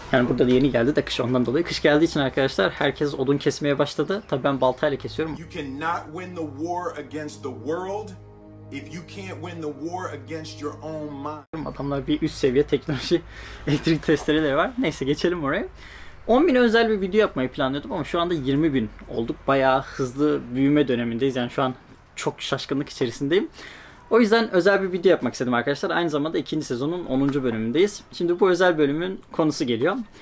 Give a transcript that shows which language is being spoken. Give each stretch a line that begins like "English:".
Turkish: Yani burada yeni geldi de kış ondan dolayı. Kış geldiği için arkadaşlar herkes odun kesmeye başladı. Tabii ben baltayla kesiyorum.
English: You cannot win the war against the world if you can't win the war against your own mind.
Turkish: Adamlar bir üst seviye teknoloji elektrik testereleri var. Neyse geçelim oraya. 10.000 özel bir video yapmayı planlıyordum ama şu anda 20.000 olduk. Bayağı hızlı büyüme dönemindeyiz. Yani şu an çok şaşkınlık içerisindeyim. O yüzden özel bir video yapmak istedim arkadaşlar. Aynı zamanda 2. sezonun 10. bölümündeyiz. Şimdi bu özel bölümün konusu geliyor.